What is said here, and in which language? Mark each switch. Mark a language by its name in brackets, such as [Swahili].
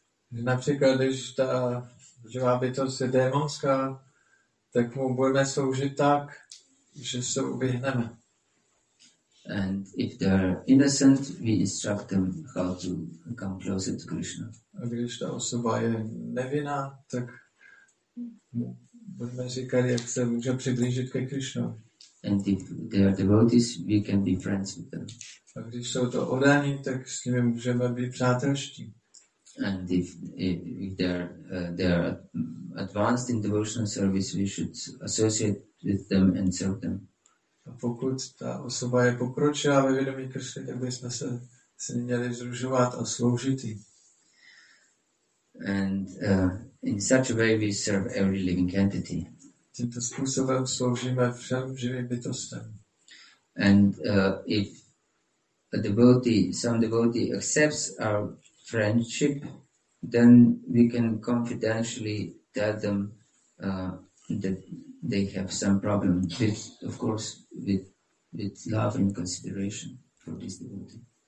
[Czech] Například, když ta živá bytost je démonská, tak mu budeme sloužit tak, že se ubíhneme. [English] And if they are innocent, we instruct them how to come closer to Krishna. [Czech] A když ta osoba je nevinná, tak budeme říkat, jak se může přiblížit ke Krishna. [English] And if they are devotees, we can be friends with them. [Czech] A když jsou to oddaní, tak s nimi můžeme být přátelští. [English] And if they are advanced in devotional service, we should associate with them and serve them. [Czech] A pokud ta osoba je pokročila ve vědomí Krishna, tak bychom se měli združovat a sloužit jí. [English] And in such a way we serve every living entity. [Czech] Tímto způsobem sloužíme všem živým bytostem. [English] And if some devotee accepts our friendship, then we can confidentially tell them that they have some problem, with love and consideration for this devotee.